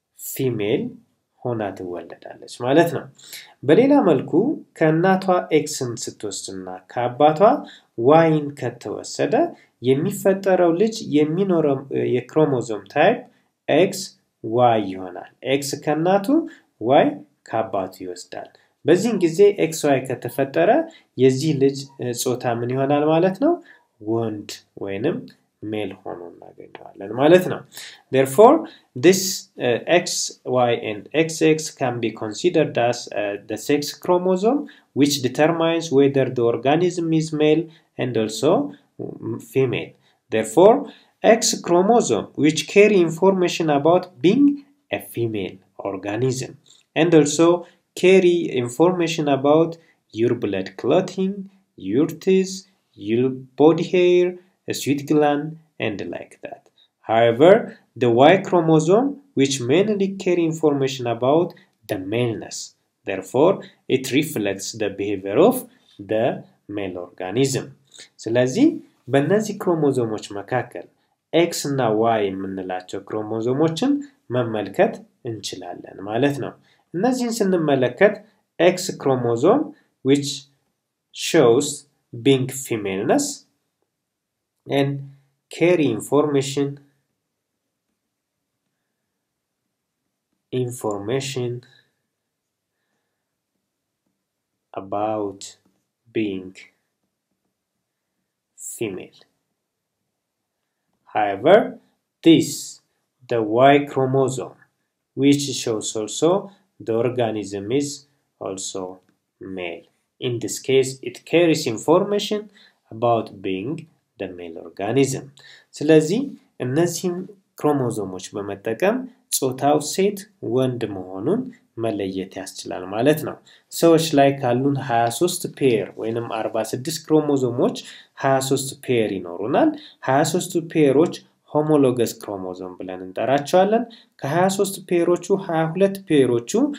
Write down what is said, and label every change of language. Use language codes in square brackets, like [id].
[am] ፊሜል ሆና ትወለዳለች ማለት ነው። በሌላ መልኩ ከናቷ Xን ስትወስድና ካባቷ Yን ከተወሰደ የሚፈጠረው ልጅ የሚኖረው የክሮሞዞም ታይፕ XY ይሆናል። X ከናቱ Y ካባቱ ይወስዳል። በዚህን ጊዜ XY ከተፈጠረ የዚህ ልጅ ጾታ ምን ይሆናል ማለት ነው? ወንድ ወይንም ሜል ሆኖ እናገኛለን ማለት ነው። [en] Therefore, this XY and XX can be considered as the sex chromosome which determines whether the organism is male and also female. Therefore, X chromosome which carry information about being a female organism and also carry information about your blood clotting, your teeth, your body hair, a sweat gland and like that. However, the Y chromosome which mainly carry information about the maleness. Therefore, it reflects the behavior of the male organism. [am] ስለዚህ በእነዚህ ክሮሞዞሞች መካከል X እና Y የምንላቸው ክሮሞዞሞችን መመልከት እንችላለን ማለት ነው። እነዚህን ስንመለከት [en] X chromosome which shows being femaleness and carry information information about being female. However, this, the Y chromosome, which shows also the organism is also male. In this case, it carries information about being the male organism. [am] ስለዚህ እነዚህ ክሮሞዞሞች በመጠቀም ጾታው ሴት ወንድ መሆኑን መለየት ያስችላል ማለት ነው። ሰዎች ላይ ካሉን 23 ፔር ወይንም 46 ክሮሞዞሞች 23 ፔር ይኖሩናል። 23ቱ ፔሮች ሆሞሎገስ ክሮሞዞም ብለን እንጠራቸዋለን። ከ23 ፔሮቹ 22 ፔሮቹ